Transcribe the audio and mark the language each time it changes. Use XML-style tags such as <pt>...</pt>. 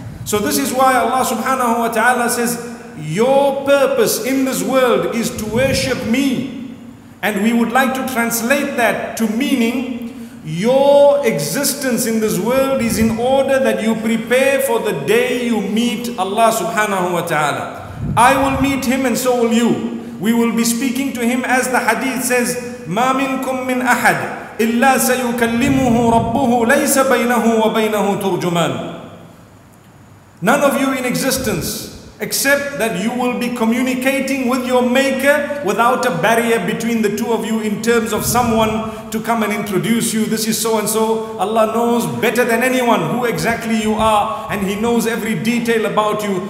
<en>So this is why Allah subhanahu wa ta'ala says, your purpose in this world is to worship me. And we would like to translate that to meaning, your existence in this world is in order that you prepare for the day you meet Allah subhanahu wa ta'ala. I will meet Him and so will you. We will be speaking to Him as the hadith says,</en> <ar>مَا مِنْكُمْ مِنْ أَحَدْ إِلَّا سَيُكَلِّمُهُ رَبُّهُ لَيْسَ بَيْنَهُ وَبَيْنَهُ تُرْجُمَانُ.</ar> <en>None of you in existence except that you will be communicating with your maker without a barrier between the two of you in terms of someone to come and introduce you. This is so and so. Allah knows better than anyone who exactly you are, and He knows every detail about you.</en>